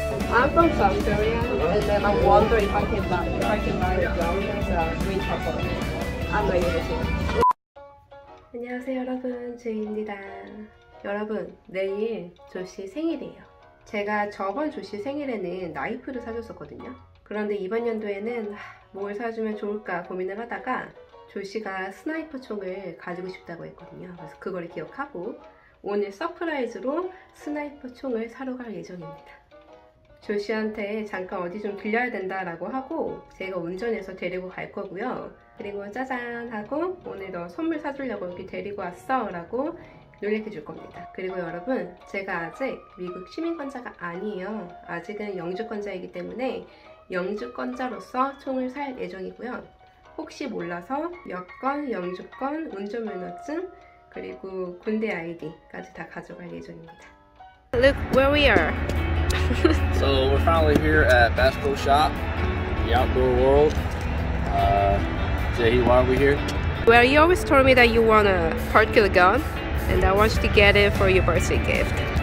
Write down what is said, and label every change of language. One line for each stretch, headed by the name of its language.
English: I'm from South Korea, and then I wonder if I can buy, if I can buy a gun as a green chopper. I'm not even sure.
Korean: 안녕하세요 여러분, 제희입니다. 여러분, 내일 조씨 생일이에요. 제가 저번 조씨 생일에는 나이프를 사줬었거든요. 그런데 이번 연도에는 뭘 사주면 좋을까 고민을 하다가 조씨가 스나이퍼 총을 가지고 싶다고 했거든요. 그래서 그걸 기억하고 오늘 서프라이즈로 스나이퍼 총을 사러 갈 예정입니다. 조씨한테 잠깐 어디 좀 빌려야 된다라고 하고 제가 운전해서 데리고 갈 거고요. 그리고 짜잔 하고 오늘 너 선물 사주려고 여기 데리고 왔어 라고 놀래켜 줄 겁니다. 그리고 여러분, 제가 아직 미국 시민권자가 아니에요. 아직은 영주권자이기 때문에 영주권자로서 총을 살 예정이고요. 혹시 몰라서 여권, 영주권, 운전면허증, 그리고 군대 아이디까지 다 가져갈 예정입니다.
English: Look where we are. So we're finally here at Bass Pro Shop, the outdoor world. Jaehee, why are we here? Well, you always told me that you want a particular gun, and I want you to get it for your birthday gift.